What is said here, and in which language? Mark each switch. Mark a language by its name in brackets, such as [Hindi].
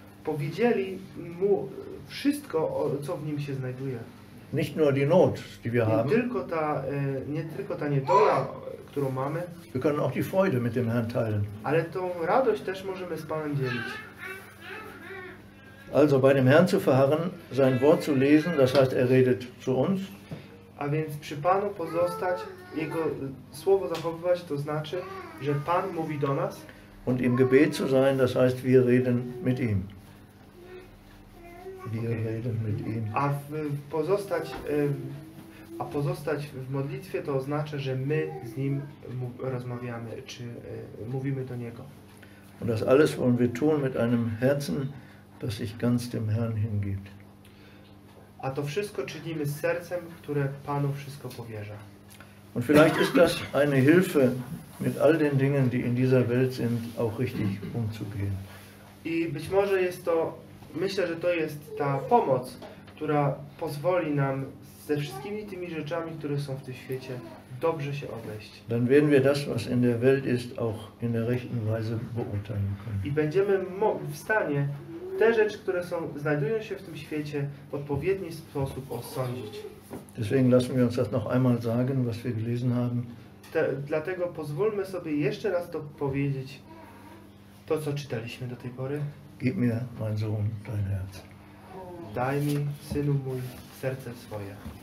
[Polish] Powiedzieli mu wszystko, co w nim się znajduje. [German] Nicht nur die Not, die wir haben. [Polish] Nie tylko ta niedola, którą mamy. [German] Wir können auch die Freude mit dem Herrn teilen. [Polish] Ale tą radość też możemy z Panem dzielić. [German] Also bei dem Herrn zu verharren, sein Wort zu lesen, das heißt, er redet zu uns. [Polish] A więc przy Panu pozostać, Jego Słowo zachowywać, to znaczy, że Pan mówi do nas. [German] Und im Gebet zu sein, das heißt, wir reden mit ihm. Wir reden mit ihm. [Polish] A pozostać A pozostać w modlitwie to oznacza, że my z nim rozmawiamy, czy mówimy do niego. [German] Und das alles wollen wir tun mit einem Herzen, das sich ganz dem Herrn hingibt. [Polish] A to wszystko czynimy z sercem, które Panu wszystko powierza. [German] Und vielleicht ist das eine Hilfe, mit all den Dingen, die in dieser Welt sind, auch richtig umzugehen. [Polish] I być może jest to, myślę, że to jest ta pomoc, która pozwoli nam ze wszystkimi tymi rzeczami, które są w tym świecie, dobrze się obejść. [German] Dann werden wir das, was in der Welt ist, auch in der rechten Weise beurteilen können. [Polish] I będziemy w stanie te rzeczy, które są, znajdują się w tym świecie, w odpowiedni sposób osądzić. [German] Deswegen lassen wir uns das noch einmal sagen, was wir gelesen haben. [Polish] Dlatego pozwólmy sobie jeszcze raz to powiedzieć, to co czytaliśmy do tej pory. [German] Gib mir, mein Sohn, dein Herz. [Polish] Daj mi, Synu mój, serce swoje.